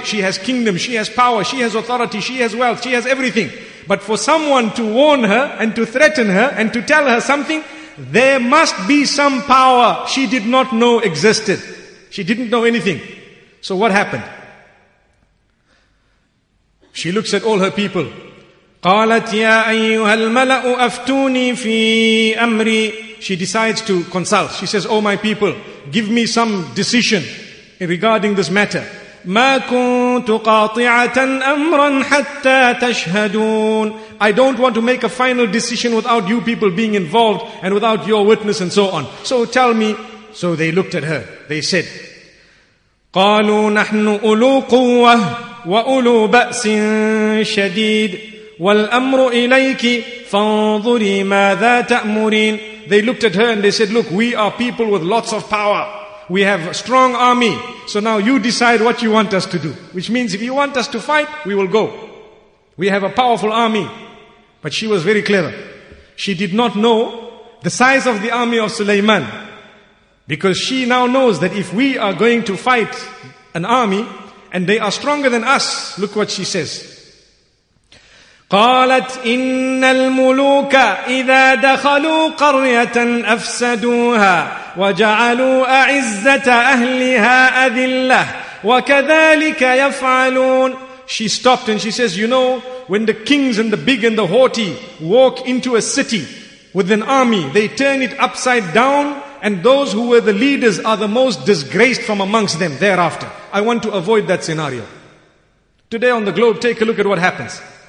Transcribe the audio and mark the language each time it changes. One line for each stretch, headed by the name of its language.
English: She has kingdom, she has power, she has authority, she has wealth, she has everything. But for someone to warn her and to threaten her and to tell her something, there must be some power she did not know existed. She didn't know anything. So what happened? She looks at all her people.
Arabic: قالت يا أيها الملأ أفتوني في أمري.
English: She decides to consult. She says, oh my people, give me some decision regarding this matter.
Arabic: ما كنت قاطعة أمرا حتى تشهدون.
English: I don't want to make a final decision without you people being involved and without your witness and so on. So tell me. So they looked at her. They said,
Arabic: قالوا نحن أولو قوة وأولو بأس شديد والأمر إليك فانظري ماذا تأمرين.
English: They looked at her and they said, look, we are people with lots of power. We have a strong army. So now you decide what you want us to do. Which means if you want us to fight, we will go. We have a powerful army. But she was very clever. She did not know the size of the army of Sulaiman. Because she now knows that if we are going to fight an army and they are stronger than us, look what she says.
Arabic: قالت إن الملوك إذا دخلوا قرية أفسدوها وجعلوا أعزة أهلها أذلة وكذلك يفعلون.
English: She stopped and she says, you know, when the kings and the big and the haughty walk into a city with an army, they turn it upside down, and those who were the leaders are the most disgraced from amongst them thereafter. I want to avoid that scenario. Today on the globe, take a look at what happens.